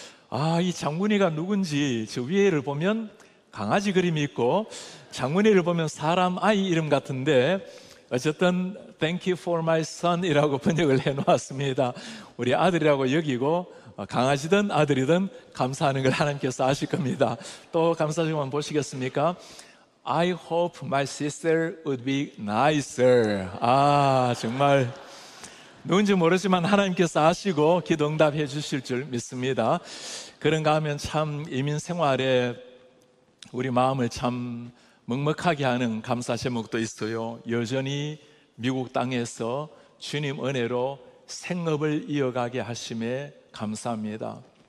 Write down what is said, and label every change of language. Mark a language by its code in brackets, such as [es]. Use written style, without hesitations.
[ko] 아, 이 장군이가 누군지 저 위에를 보면 강아지 그림이 있고 장군이를 보면 사람 아이 이름 같은데 어쨌든 [en] Thank you for my son [ko] 이라고 번역을 해놓았습니다. 우리 아들이라고 여기고 강아지든 아들이든 감사하는 걸 하나님께서 아실 겁니다. 또 감사 좀 한번 보시겠습니까? [en] I hope my sister would be nicer. [ko] 아, 정말 누군지 모르지만 하나님께서 아시고 기도 응답해 주실 줄 믿습니다. 그런가 하면 참 이민 생활에 우리 마음을 참 먹먹하게 하는 감사 제목도 있어요. 여전히 미국 땅에서 주님 은혜로 생업을 이어가게 하심에 감사합니다.